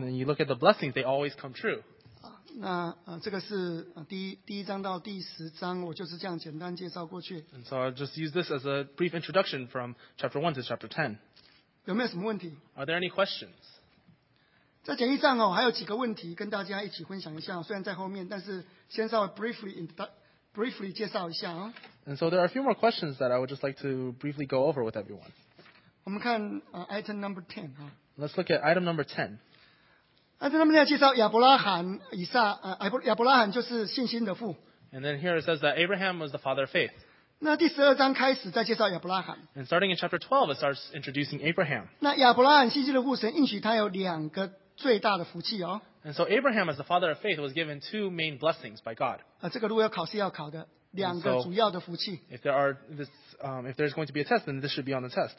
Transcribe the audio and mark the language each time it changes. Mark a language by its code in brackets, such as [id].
[en] And then you look at the blessings, they always come true. [zh] 那这个是第一章到第十章，我就是这样简单介绍过去。 [en] And so I just use this as a brief introduction from chapter 1 to chapter 10. [zh] 有没有什么问题 [en] ？Are there any questions？ [zh] 在简易上哦，还有几个问题跟大家一起分享一下。虽然在后面，但是先稍微 briefly 介绍一下哦。 [en] And so there are a few more questions that I would just like to briefly go over with everyone. [zh] 我们看 [en] item number 10 [zh] 哈。 [en] Let's look at item number 10. [zh] 那他们要介绍亚伯拉罕、以撒、亚伯拉罕就是信心的父。 [en] And then here it says that Abraham was the father of faith. [zh] 那第十二章开始再介绍亚伯拉罕。 [en] And starting in chapter 12, it starts introducing Abraham. [zh] 那亚伯拉罕信心的父，神应许他有两个最大的福气哦。 [en] And so Abraham, as the father of faith, was given two main blessings by God. [zh] 这个如果要考试要考的两个主要的福气。 [en] So, if there's going to be a test, then this should be on the test.